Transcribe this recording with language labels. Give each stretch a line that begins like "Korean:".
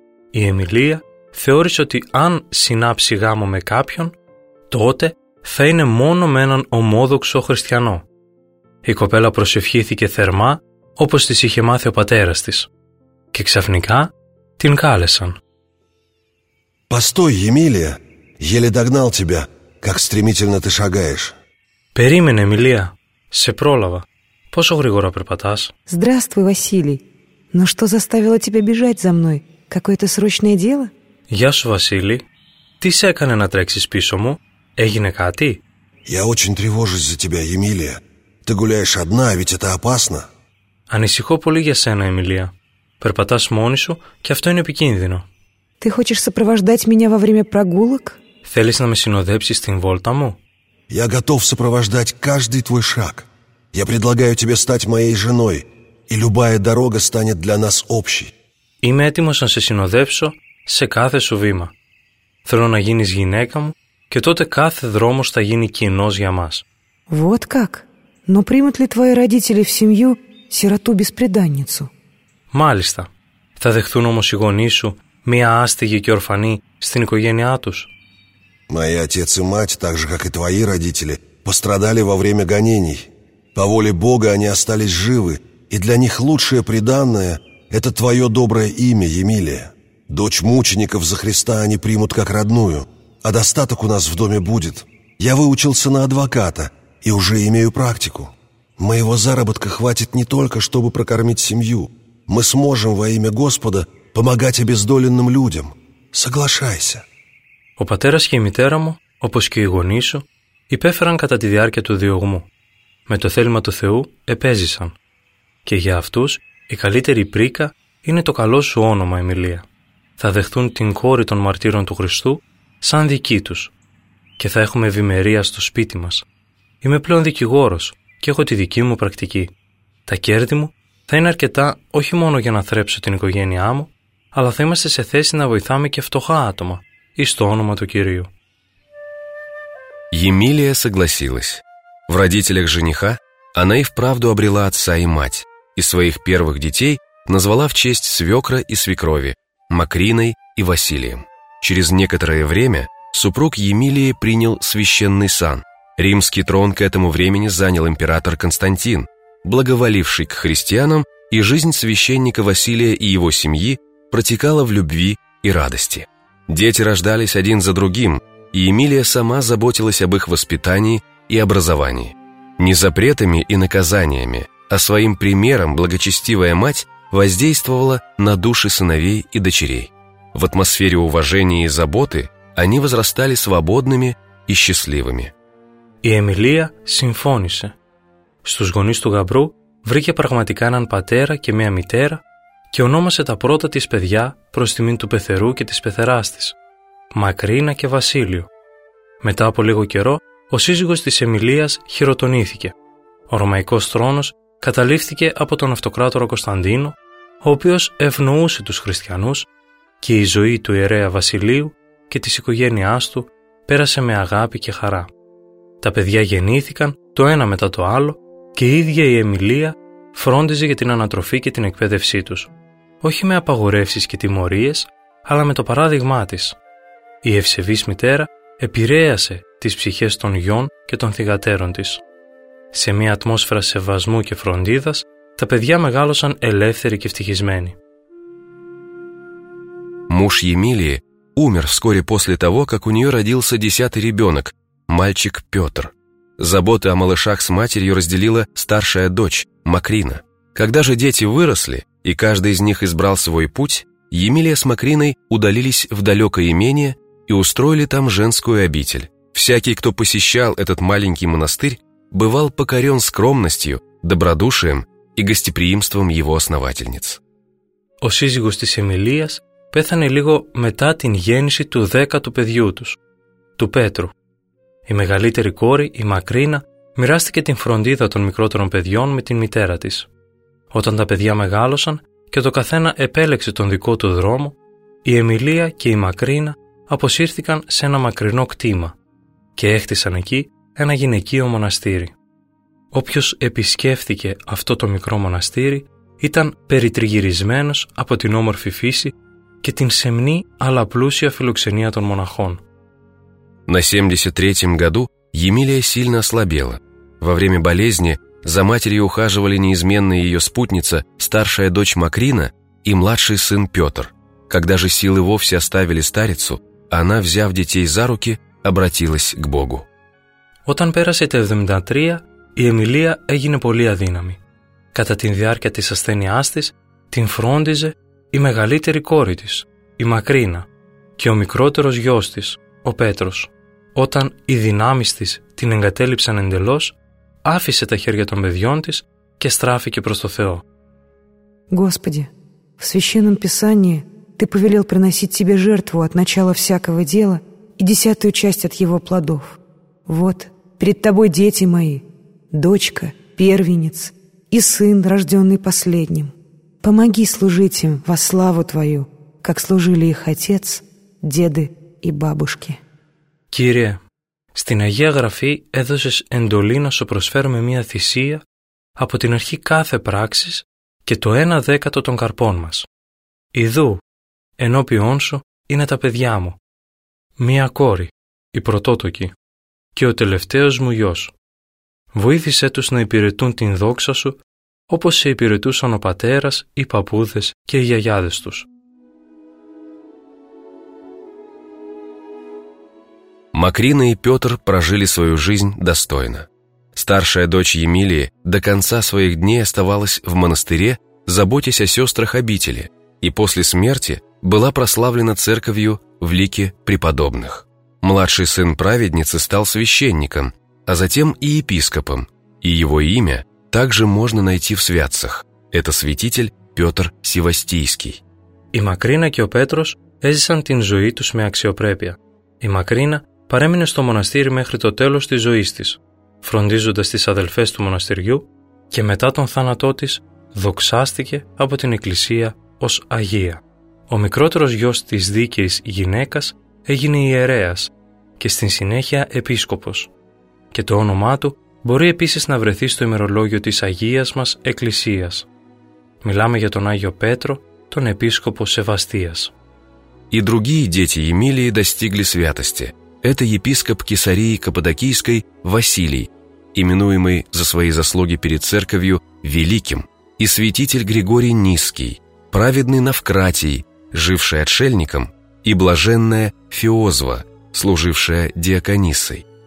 Greek: Η Εμιλία θεώρησε ότι αν συνάψει γάμο με κάποιον, τότε θα είναι μόνο με έναν ομόδοξο χριστιανό. Η κοπέλα προσευχήθηκε θερμά, όπως της είχε μάθει ο πατέρας της. Και ξαφνικά την κάλεσαν.
Russian: Постой, Емилия, еле догнал тебя, как стремительно ты шагаешь.
Greek: Περίμενε, Эмилия, σε πρόλαβα. Πόσο γρήγορα περπατάς.
Russian: Здравствуй, Василий. Но что заставило тебя бежать за мной? Какое-то срочное дело?
Greek: Γεια σου, Василий. Τι σε έκανε να τρέξεις πίσω μου? Έγινε κάτι?
Russian: Я очень тревожусь за тебя, Емилия. Ты гуляешь одна, ведь это опасно.
Greek: Ανησυχώ πολύ για σένα, Эмилия. Περπατάς μόνη σου και αυτό είναι επικίνδυνο.
Russian: Ты хочешь сопровождать меня во время прогулок?
Greek: Θέλεις να με συνοδέψεις στην βόλτα μου?
Russian: Я готов сопровождать каждый твой шаг. Я предлагаю тебе стать моей женой, и любая дорога станет для нас общей.
Greek: Είμαι έτοιμος να σε συνοδεύσω σε κάθε σου βήμα. Θέλω να γίνεις γυναίκα μου και τότε κάθε δρόμος θα γίνει κοινός για μας.
Russian: Вот как? Но примут ли твои родители в семью сироту бесприданницу?
Greek: Μάλιστα. Θα δεχθούν όμως οι γονείς σου μία άστιγη και ορφανή στην οικογένειά τους?
Russian: Мои отец и мать, так же как и твои родители, пострадали во время гонений. По воле Бога они остались живы, и для них лучшее приданное – это твое доброе имя, Емилия. Дочь мучеников за Христа они примут как родную, а достаток у нас в доме будет. Я выучился на адвоката и уже имею практику. Моего заработка хватит не только, чтобы прокормить семью. Мы сможем во имя Господа помогать обездоленным людям. Соглашайся.
Greek: Ο πατέρας και η μητέρα μου, όπως και οι γονείς σου, υπέφεραν κατά τη διάρκεια του διωγμού. Με το θέλημα του Θεού επέζησαν. Και για αυτούς η καλύτερη πρίκα είναι το καλό σου όνομα, Εμιλία. Θα δεχθούν την κόρη των μαρτύρων του Χριστού σαν δική τους και θα έχουμε ευημερία στο σπίτι μας. Είμαι πλέον δικηγόρος και έχω τη δική μου πρακτική. Τα κέρδη μου θα είναι αρκετά όχι μόνο για να θρέψω την οικογένειά μου, αλλά θα είμαστε σε θέση να βοηθάμε και φτωχά άτομα, εις το όνομα του Κυρίου.
Russian: Емилия согласилась. В родителях жениха она и вправду обрела отца и мать, и своих первых детей назвала в честь свекра и свекрови Макриной и Василием. Через некоторое время супруг Емилии принял священный сан. Римский трон к этому времени занял император Константин, благоволивший к христианам, и жизнь священника Василия и его семьи протекала в любви и радости. Дети рождались один за другим, и Емилия сама заботилась об их воспитании и образовании. Не запретами и наказаниями, а своим примером благочестивая мать воздействовала на души сыновей и дочерей. В атмосфере уважения и заботы они возрастали свободными и счастливыми.
Greek: Η Εμιλία συμφώνησε. Στους γονείς του γαμπρού βρήκε πραγματικά έναν πατέρα και μία μητέρα και ονόμασε τα πρώτα της παιδιά προς τιμήν του πεθερού και της πεθεράς της, Μακρίνα και Βασίλειο. Μετά από λίγο καιρό ο σύζυγος της Εμιλίας χειροτονήθηκε. Ο ρωμαϊκός θρόνος καταλήφθηκε από τον αυτοκράτορα Κωνσταντίνο, ο οποίος ευνοούσε τους χριστιανούς και η ζωή του ιερέα βασιλείου και της οικογένειάς του πέρασε με αγάπη και χαρά. Τα παιδιά γεννήθηκαν το ένα μετά το άλλο και η ίδια η Εμιλία φρόντιζε για την ανατροφή και την εκπαίδευσή τους, όχι με απαγορεύσεις και τιμωρίες, αλλά με το παράδειγμά της. Η ευσεβής μητέρα επηρέασε τις ψυχές των γιών και των θυγατέρων της. Σε μια ατμόσφαιρα σεβασμού και φροντίδας, τα παιδιά μεγάλωσαν ελεύθεροι και ευτυχισμένοι.
Russian: Муж Емилии умер вскоре после того, как у нее родился 10-й ребенок, мальчик Петр. Заботы о малышах с матерью разделила старшая дочь, Макрина. Когда же дети выросли, и каждый из них избрал свой путь, Емилия с Макриной удалились в далекое имение и устроили там женскую обитель. Всякий, кто посещал этот маленький монастырь, бывал покорен скромностью, добродушием и гостеприимством его основательниц.
Greek: О сизигус тис Эмилиас пэθανε лиго мета тин γέννηση του 10ου παιδιού τους, του Πέτρου. Η μεγαλύτερη κόρη, η Μακρίνα, μοιράστηκε την φροντίδα των μικρότερων παιδιών με την μητέρα της. Όταν τα παιδιά μεγάλωσαν και το καθένα επέλεξε τον δικό του δρόμο, η Εμιλία και η Μακρίνα αποσύρθηκαν σε ένα μακρινό κτήμα και έχτισαν εκεί ένα γυναικείο μοναστήρι. Όποιος επισκέφθηκε αυτό το μικρό μοναστήρι ήταν περιτριγυρισμένος από την όμορφη φύση και την σεμνή αλλά πλούσια φιλοξενία των μοναχών.
Russian: На 73-м году Емилия сильно ослабела. Во время болезни за матерью ухаживали неизменная ее спутница, старшая дочь Макрина и младший сын Петр. Когда же силы вовсе оставили старицу, она, взяв детей за руки, обратилась к Богу.
Greek: Όταν πέρασε τα 73, η Εμιλία έγινε πολύ αδύναμη. Κατά τη διάρκεια της ασθένειάς της, την φρόντιζε η μεγαλύτερη κόρη της, η Μακρίνα, και ο μικρότερος γιος της, ο Πέτρος. Όταν οι δυνάμεις της την εγκατέλειψαν εντελώς, άφησε τα χέρια των παιδιών της και στράφηκε προς το Θεό.
Russian: Господи, в священном писании ты повелел приносить себе жертву от начала всякого дела и десятую часть от его плодов. Вот перед тобой дети мои, дочка, первенец и сын, рожденный последним. Помоги служить им во славу твою, как служили их отец, деды и бабушки.
Greek: Κύριε, στην Αγία Γραφή έδωσες εντολή να σου προσφέρουμε μία θυσία από την αρχή κάθε πράξης και το 1/10 των καρπών μας. Ιδού, ενώπιόν σου είναι τα παιδιά μου, μία κόρη, η πρωτότοκη, και ο τελευταίος μου γιος. Βοήθησέ τους να υπηρετούν την δόξα σου όπως σε υπηρετούσαν ο πατέρας, οι παππούδες και οι γιαγιάδες τους.
Russian: Макрина и Петр прожили свою жизнь достойно. Старшая дочь Емилии до конца своих дней оставалась в монастыре, заботясь о сестрах обители, и после смерти была прославлена церковью в лике преподобных. Младший сын праведницы стал священником, а затем и епископом, и его имя также можно найти в святцах. Это святитель Петр Севастийский.
Greek: И Макрина, и Петрос έζησαν την ζωή τους με αξιοπρέπεια. Η Μακρίνα παρέμεινε στο μοναστήρι μέχρι το τέλος της ζωής της, φροντίζοντας τις αδελφές του μοναστηριού και μετά τον θάνατό της δοξάστηκε από την Εκκλησία ως Αγία. Ο μικρότερος γιος της δίκαιης γυναίκας έγινε ιερέας και στην συνέχεια επίσκοπος. Και το όνομά του μπορεί επίσης να βρεθεί στο ημερολόγιο της Αγίας μας Εκκλησίας. Μιλάμε για τον Άγιο Πέτρο, τον επίσκοπο Σεβαστίας.
Russian: Οι другие дети Емилии достигли святости. Это епископ Кесарии Каппадокийской Василий, именуемый за свои заслуги перед церковью Великим, и святитель Григорий Ниский, праведный Навкратий, живший отшельником, и блаженная Феозва, служившая диаконисой.